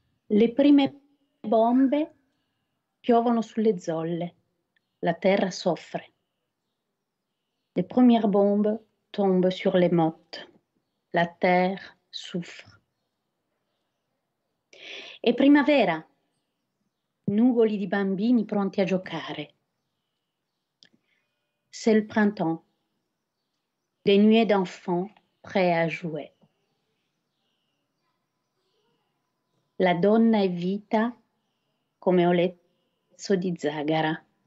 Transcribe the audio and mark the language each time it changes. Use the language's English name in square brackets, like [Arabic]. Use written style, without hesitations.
[Italian] Les prime bombe piovono sulle zolle, la terra soffre. [French] Les premières bombes tombent sur les mottes, la terre souffre. [Italian] È primavera, nugoli di bambini pronti a giocare. [French] C'est le printemps, des nuées d'enfants prêts à jouer. [Italian] La donna è vita, come ho letto di Zagara.